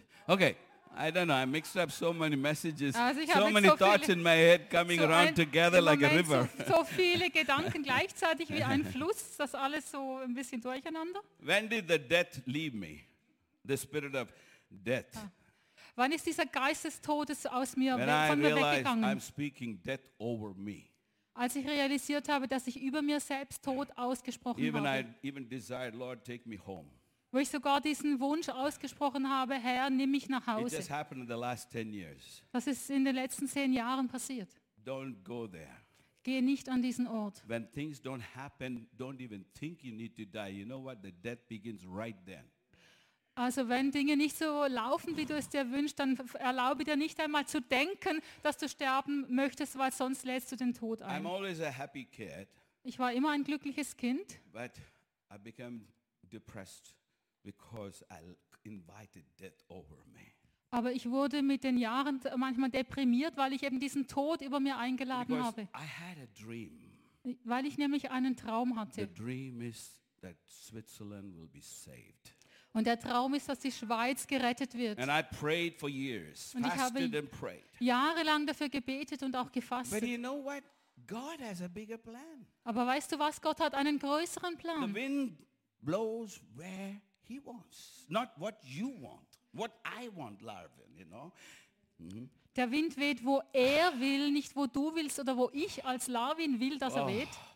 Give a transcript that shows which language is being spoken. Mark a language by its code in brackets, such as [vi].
[en] Okay, I don't know. I mixed up so many messages, so many thoughts in my head coming around together like a river. [de] So viele Gedanken gleichzeitig wie ein Fluss, das alles so ein bisschen durcheinander. [en] When did the death leave me? The spirit of death. [de] Wann ist dieser Geist des Todes aus mir, [en] when [de] von [en] I [de] mir weggegangen? [en] I'm speaking death over me. [de] Als ich realisiert habe, dass ich über mir selbst Tod ausgesprochen [en] even [de] habe. [en] Even desired, Lord, take me home. [de] Wo ich sogar diesen Wunsch ausgesprochen habe, Herr, nimm mich nach Hause. [en] It just happened in the last 10 years. [de] Das ist in den letzten 10 Jahren passiert. [en] Don't go there. [de] Gehe nicht an diesen Ort. [en] When things don't happen, don't even think you need to die. You know what? The death begins right then. [de] Also wenn Dinge nicht so laufen, wie du es dir wünschst, dann erlaube dir nicht einmal zu denken, dass du sterben möchtest, weil sonst lädst du den Tod ein. [en] I'm always a happy kid, [de] ich war immer ein glückliches Kind. [en] But I became depressed because I invited death over me. [de] Aber ich wurde mit den Jahren manchmal deprimiert, weil ich eben diesen Tod über mir eingeladen [en] because [de] habe. [en] I had a dream. [de] Weil ich nämlich einen Traum hatte. [en] The dream is that Switzerland will be saved. [de] Und der Traum ist, dass die Schweiz gerettet wird. [en] And I prayed for years, [de] und ich habe [en] and prayed. [de] Jahrelang dafür gebetet und auch gefastet. [en] But you know what? God has a bigger plan. [de] Aber weißt du was? Gott hat einen größeren Plan. [en] The wind blows where he wants, not what you want, what I want, Larvin, you know? Mm-hmm. [de] Der Wind weht, wo er will, nicht wo du willst oder wo ich als Larvin will, dass er weht.